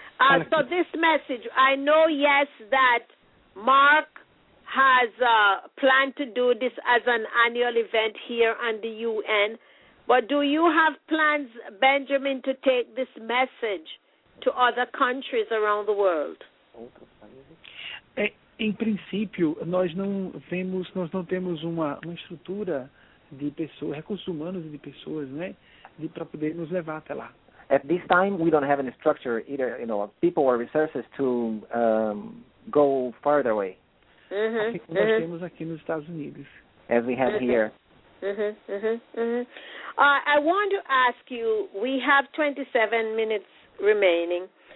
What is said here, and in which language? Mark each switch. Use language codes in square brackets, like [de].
[en] So this message, I know, that Mark has planned to do this as an annual event here on the UN. But do you have plans, Benjamin, to take this message to other countries around the world? [pt] Em princípio, nós não temos uma estrutura de pessoas, recursos humanos e de pessoas, né, para poder nos levar até lá. [en] At this time, we don't have any structure either, you know, people or resources to go farther away. [pt] Nós temos aqui nos Estados Unidos. [en] As we have here. I want to ask you, we have 27 minutes remaining.